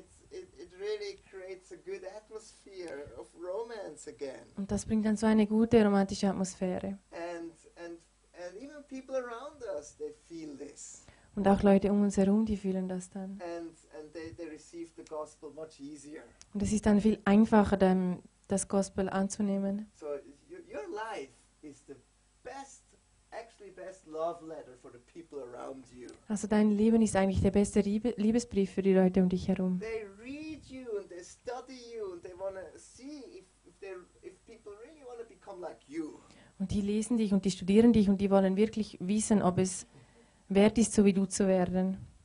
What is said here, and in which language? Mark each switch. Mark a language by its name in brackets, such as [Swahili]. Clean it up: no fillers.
[English] it really creates a good atmosphere of romance again. [German] Und das bringt dann so eine gute romantische Atmosphäre. [English] And even people around us, they feel this. [German] Und auch Leute um uns herum, die fühlen das dann. [English] And they receive the gospel much easier. [German] Und es ist dann viel einfacher, das Gospel anzunehmen. [English] So your life is the best love letter for the people around you. [German] Also dein Leben ist eigentlich der beste Liebesbrief für die Leute um dich herum. [English] They read you and they study you and they want to see if people really want to become like you. [German] Und die lesen dich und die studieren dich und die wollen wirklich wissen, ob es wert ist, so wie du zu werden.